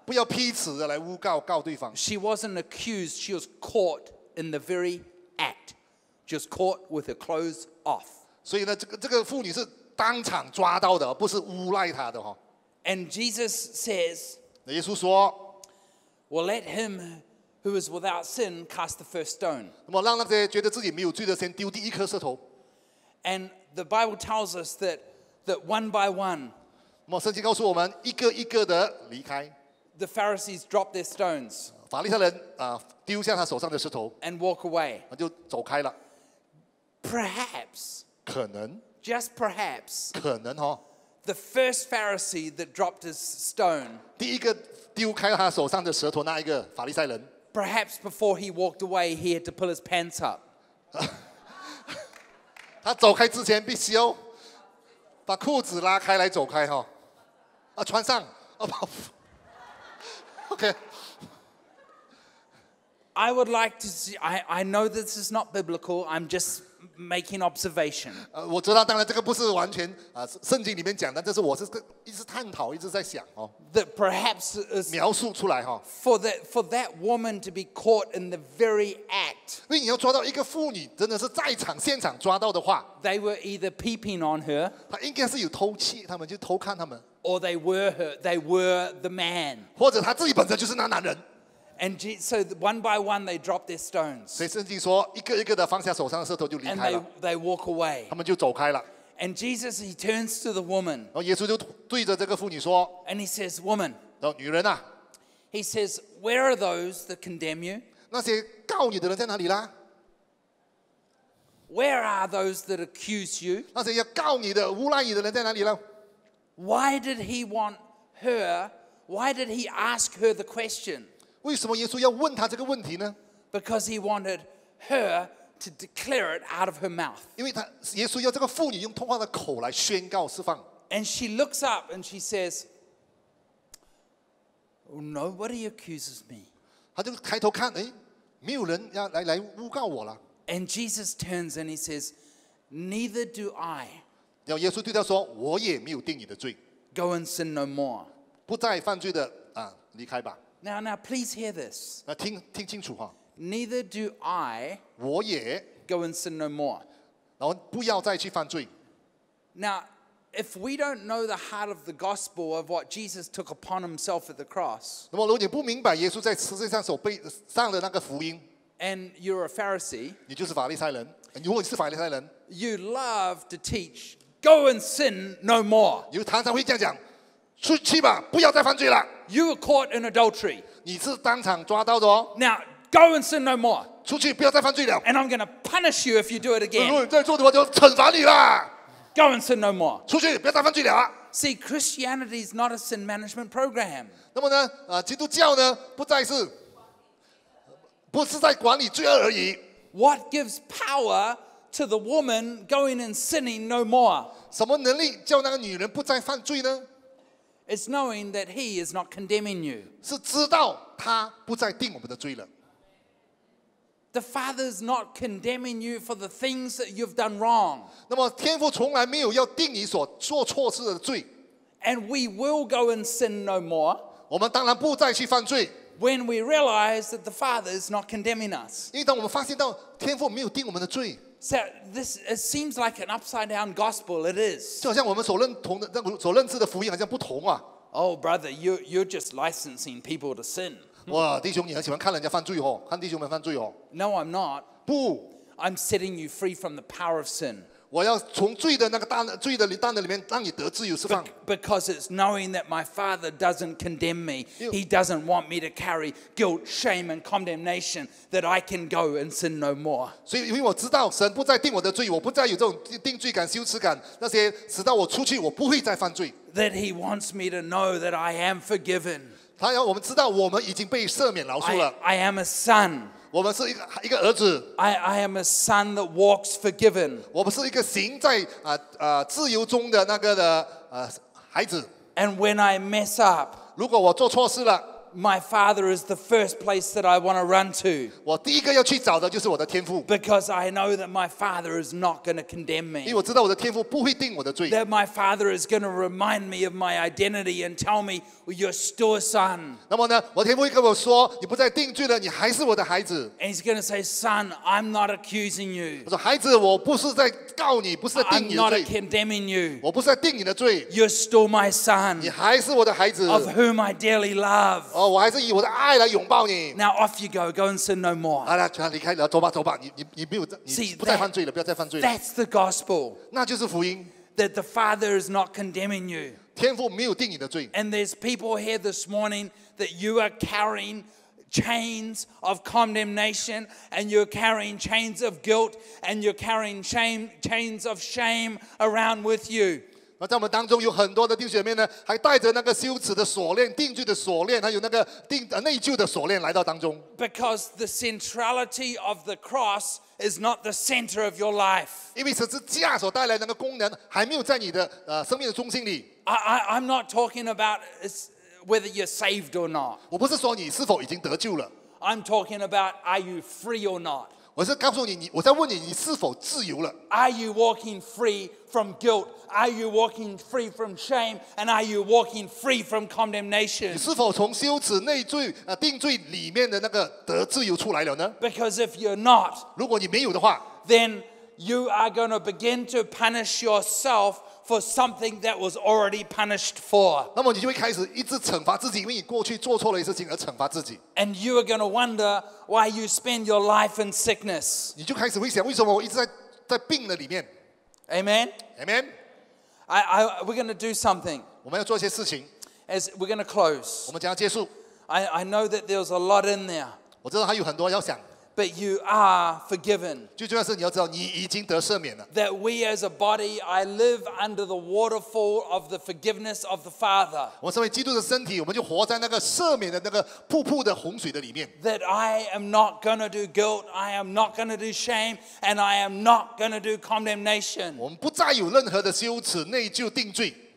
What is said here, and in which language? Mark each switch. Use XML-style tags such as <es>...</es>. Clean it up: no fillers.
<zh>不要批词的来诬告告对方。</zh> <en>She wasn't accused. She was caught in the very act. Just caught with her clothes off.</en> <zh>所以呢，这个妇女是当场抓到的，不是诬赖她的哈。</zh> <en>And Jesus says,</en> <zh>耶稣说,</zh> <en>well, let him who is without sin cast the first stone.</en> <zh>那么让那些觉得自己没有罪的先丢第一颗石头。</zh> <en>And the Bible tells us that one by one,</en> <zh>那么圣经告诉我们一个一个的离开。</zh> <en>The Pharisees drop their stones.</en> <zh>法利赛人丢下他手上的石头。</zh> <en>And walk away.</en> <zh>那就走开了。</zh> <en>Perhaps,</en> <zh>可能,</zh> <en>just perhaps,</en> <zh>可能哦。</zh> <en>The first Pharisee that dropped his stone.</en> <zh>第一个丢开他手上的石头那一个法利赛人。</zh> <en>Perhaps before he walked away, he had to pull his pants up.</en> <zh>他走开之前必须要把裤子拉开来走开哈，啊穿上啊跑。</zh> <en>Okay. I would like to see. I know this is not biblical. I'm just. Making observation.</en> <zh>我知道，当然这个不是完全圣经里面讲的，但是我是一直探讨，一直在想哦。</zh> <en>That perhaps is</en> <zh>描述出来哈。</zh> <en>For that woman to be caught in the very act.</en> <zh>因为你要抓到一个妇女，真的是在场现场抓到的话。</zh> <en>They were either peeping on her.</en> <zh>她应该是有偷窃，他们就偷看他们。</zh> <en>Or they were her. They were the man.</en> <zh>或者她自己本身就是那男人。</zh> <en>And so one by one they drop their stones.</en> <zh>所以圣经说，一个一个的放下手上的石头就离开了。</zh> <en>And they walk away.</en> <zh>他们就走开了。</zh> <en>And Jesus he turns to the woman.</en> <zh>然后耶稣就对着这个妇女说。</zh> <en>And he says, woman.</en> <zh>然后女人啊。</zh> <en>He says, where are those that condemn you?</en> <zh>那些告你的人在哪里啦？</zh> <en>Where are those that accuse you?</en> <zh>那些要告你的、诬赖你的人在哪里啦？</zh> <en>Why did he want her? Why did he ask her the question?</en> <zh>为什么耶稣要问他这个问题呢？</zh> <en>Because he wanted her to declare it out of her mouth.</en> <zh>因为他耶稣要这个妇女用通话的口来宣告释放。</zh> <en>And she looks up and she says, "Nobody accuses me."</en> <zh>他就抬头看，哎，没有人要来诬告我了。</zh> <en>And Jesus turns and he says, "Neither do I."</en> <zh>然后耶稣对他说，我也没有定你的罪。</zh> <en>Go and sin no more.</en> <zh>不再犯罪的离开吧。</zh> <en>Now, please hear this.</en> <zh>听清楚哈。</zh> <en>Neither do I.</en> <zh>我也。</zh> <en>Go and sin no more.</en> <zh>然后不要再去犯罪。</zh> <en>Now, if we don't know the heart of the gospel of what Jesus took upon himself at the cross.</en> <zh>那么如果你不明白耶稣在十字架上所背上的那个福音。</zh> <en>And you're a Pharisee.</en> <zh>你就是法利赛人。如果你是法利赛人。</zh> <en>You love to teach, go and sin no more.</en> <zh>你就常常会这样讲。出去吧，不要再犯罪了。</zh> <en>You were caught in adultery.</en> <zh>你是当场抓到的哦。</zh> <en>Now go and sin no more.</en> <zh>出去，不要再犯罪了。</zh> <en>And I'm going to punish you if you do it again.</en> <zh>如果你再做的话，就惩罚你了。</zh> <en>Go and sin no more.</en> <zh>出去，不要再犯罪了。</zh> <en>See, Christianity is not a sin management program.</en> <zh>那么呢，基督教呢，不是在管理罪恶而已。</zh> <en>What gives power to the woman going and sinning no more?</en> <zh>什么能力叫那个女人不再犯罪呢？</zh> <en>It's knowing that he is not condemning you.</en> <zh>是知道他不再定我们的罪了。</zh> <en>The Father is not condemning you for the things that you've done wrong.</en> <zh>那么天父从来没有要定你所做错事的罪。</zh> <en>And we will go and sin no more.</en> <zh>我们当然不再去犯罪。</zh> <en>When we realize that the Father is not condemning us.</en> <zh>因为当我们发现到天父没有定我们的罪。</zh> <en>So this it seems like an upside down gospel. It is.</en> <zh>就好像我们所认知的福音好像不同啊。</zh> <en>Oh, brother, you're just licensing people to sin.</en> <zh>哇，弟兄，你很喜欢看人家犯罪哦，看弟兄们犯罪哦。</zh> <en>No, I'm not.</en> <zh>不。</zh> <en>I'm setting you free from the power of sin.</en> <zh>我要从罪的那个大罪的担子里面让你得自由释放。</zh> <en>Because it's knowing that my father doesn't condemn me, he doesn't want me to carry guilt, shame, and condemnation. That I can go and sin no more.</en> <zh>所以因为我知道神不再定我的罪，我不再有这种定罪感、羞耻感，那些使到我出去，我不会再犯罪。</zh> <en>That he wants me to know that I am forgiven.</en> <zh>他要我们知道我们已经被赦免饶恕了。</zh> <en>I am a son.</en> <zh>我们是一个儿子。</zh> <en>I am a son that walks forgiven.</en> <zh>我们是一个行在自由中的那个的孩子。</zh> <en>And when I mess up,</en> <zh>如果我做错事了。</zh> <en>My father is the first place that I want to run to.</en> <zh>我第一个要去找的就是我的天父。</zh> <en>Because I know that my father is not going to condemn me.</en> <zh>因为我知道我的天父不会定我的罪。</zh> <en>That my father is going to remind me of my identity and tell me, well, you're still a son.</en> <zh>那么呢，我天父会跟我说，你不再定罪了，你还是我的孩子。</zh> <en>And he's going to say, son, I'm not accusing you.</en> <zh>我说孩子，我不是在告你，不是在定你的罪。</zh> <en>I'm not condemning you.</en> <zh>我不是在定你的罪。</zh> <en>You're still my son.</en> <zh>你还是我的孩子。</zh> <en>Of whom I dearly love.</en> <zh>哦，我还是以我的爱来拥抱你。</zh> <en>Now off you go, go and sin no more.</en> <zh>好了，全离开了，走吧，走吧，你没有，你不再犯罪了，不要再犯罪了。</zh> <en>That's the gospel.</en> <zh>那就是福音。</zh> <en>That the Father is not condemning you.</en> <zh>天父没有定你的罪。</zh> <en>And there's people here this morning that you are carrying chains of condemnation, and you're carrying chains of guilt, and you're carrying chains of shame around with you.</en> <zh>在我们当中有很多的弟兄姐妹呢，还带着那个羞耻的锁链、定罪的锁链，还有那个内疚的锁链来到当中。</zh> <en>Because the centrality of the cross is not the center of your life.</en> <zh>因为十字架所带来的那个功能还没有在你的生命的中心里。</zh> <en>I'm not talking about whether you're saved or not.</en> <zh>我不是说你是否已经得救了。</zh> <en>I'm talking about are you free or not.</en> <zh>我是告诉你，我在问你，你是否自由了</zh> <en>？Are you walking free from guilt? Are you walking free from shame? And are you walking free from condemnation?</en> <zh>你是否从羞耻、内罪、定罪里面的那个得自由出来了呢</zh> <en>？Because if you're not,</en> <zh>如果你没有的话</zh> <en>，then you are going to begin to punish yourself for something that was already punished for.</en> <zh>那么你就会开始一直惩罚自己，因为你过去做错了一事情而惩罚自己。</zh> <en>And you are going to wonder. Why you spend your life in sickness?</en> <zh>你就开始会想，为什么我一直在病的里面</zh> <en>？Amen. Amen. I we're going to do something.</en> <zh>我们要做一些事情。</zh> <en>As we're going to close.</en> <zh>我们将要结束。</zh> <en>I know that there's a lot in there.</en> <zh>我知道还有很多要想。</zh> <en>But you are forgiven.</en> <zh>最重要是你要知道你已经得赦免了。</zh> <en>That we as a body, I live under the waterfall of the forgiveness of the Father.</en> <zh>我身为基督的身体，我们就活在那个赦免的那个瀑布的洪水的里面。</zh> <en>That I am not going to do guilt, I am not going to do shame, and I am not going to do condemnation.</en> <zh>我们不再有任何的羞耻、内疚、定罪。</zh>